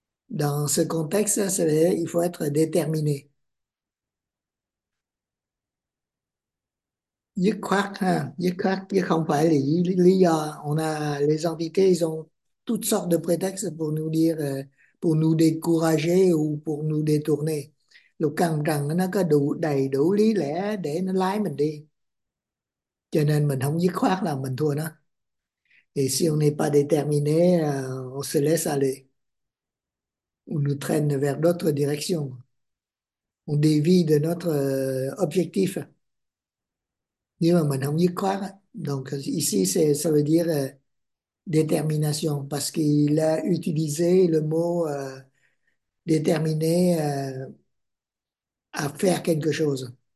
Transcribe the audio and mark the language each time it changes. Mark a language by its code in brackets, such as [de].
[fr] Dans ce contexte-là, ça veut dire, il faut être déterminé. [vi] Dứt khoát ha, dứt khoát chứ không phải là lý do. [fr] On a les entités, ils ont toutes sortes de prétextes pour nous dire, pour nous décourager ou pour nous détourner. [vi] Lúc càng rằng nó có đủ đầy đủ lý lẽ để nó lái mình đi, cho nên mình không dứt khoát là mình thua nó. [fr] Et si on n'est pas déterminé, on se laisse aller, on nous traîne vers d'autres directions, on dévie de notre objectif. [vi] Nếu mà mình không dứt khoát, [fr] donc ici c'est ça veut dire détermination, parce qu'il a utilisé le mot déterminé à faire quelque chose.